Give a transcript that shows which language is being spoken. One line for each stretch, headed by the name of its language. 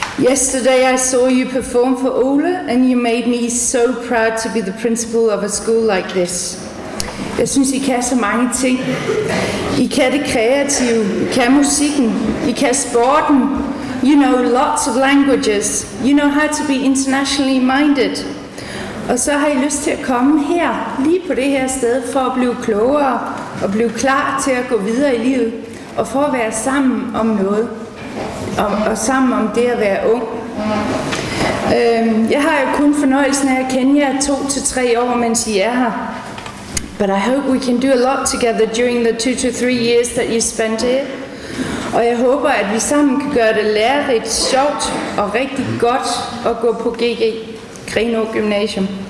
English: Yesterday I saw you perform for Ole, and you made me so proud to be the principal of a school like this.
Danish: Jeg synes, I kan så mange ting. I kan det kreative, I kan musikken, I kan sporten.
English: You know lots of languages. You know how to be internationally minded.
Danish: Og så har I lyst til at komme her, lige på det her sted, for at blive klogere og blive klar til at gå videre i livet. Og for at være sammen om noget. Og sammen om det at være ung. Jeg har jo kun fornøjelsen af at kende jer 2 til 3 år, mens I er her.
English: But I hope we can do a lot together during the 2 to 3 years that you spent here.
Danish: Og jeg håber, at vi sammen kan gøre det lærerigt, sjovt og rigtig godt at gå på GG, Grenaa Gymnasium.